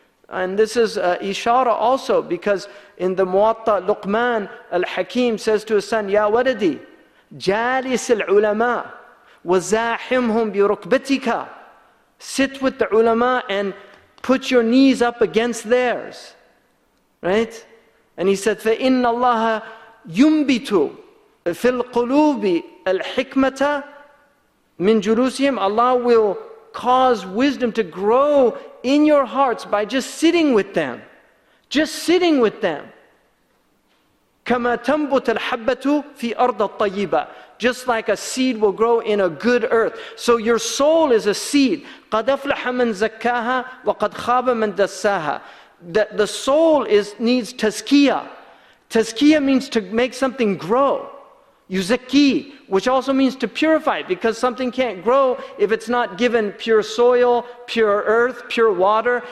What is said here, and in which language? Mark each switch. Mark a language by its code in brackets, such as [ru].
[en] And this is ishara also, because in the Muwatta, Luqman al-Hakim says to his son, [ar] Ya waladi, jalis al-ulama, wazahimhum birukbatika. [en] Sit with the ulama and put your knees up against theirs. Right? And he said, [ar] فَإِنَّ اللَّهَ يُنْبِتُ فِي الْقُلُوبِ الْحِكْمَةَ مِنْ جُلُوسِهِمْ. [en] Allah will cause wisdom to grow in your hearts by just sitting with them. Just sitting with them. [ar] كَمَا تَنْبُتَ الْحَبَّةُ فِي أَرْضَ الطَّيِّبَةِ. [en] Just like a seed will grow in a good earth. So your soul is a seed. [ar] قَدْ أَفْلَحَ مَنْ زَكَّاهَا وَقَدْ خَابَ مَنْ دَسَّاهَا. [en] That the soul needs tazkiyah. Tazkiyah means to make something grow. Yuzakki, which also means to purify, because something can't grow if it's not given pure soil, pure earth, pure water.